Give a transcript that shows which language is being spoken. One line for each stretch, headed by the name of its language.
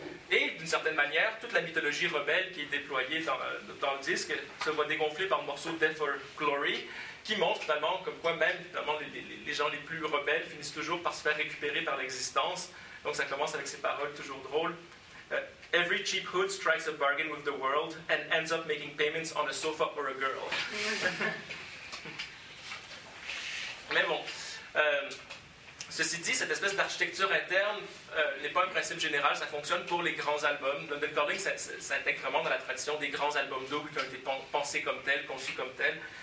French: Et d'une certaine manière, toute la mythologie rebelle qui est déployée dans le disque se voit dégonflée par le morceau Death or Glory, qui montre finalement comme quoi même finalement, les gens les plus rebelles finissent toujours par se faire récupérer par l'existence. Donc ça commence avec ces paroles toujours drôles.
English: Every cheap hood strikes a bargain with the world and ends up making payments on a sofa or a girl.
French: Mais bon. Ceci dit, cette espèce d'architecture interne n'est pas un principe général, ça fonctionne pour les grands albums. London Calling s'intègre vraiment dans la tradition des grands albums doubles qui ont été pensés comme tels, conçus comme tels.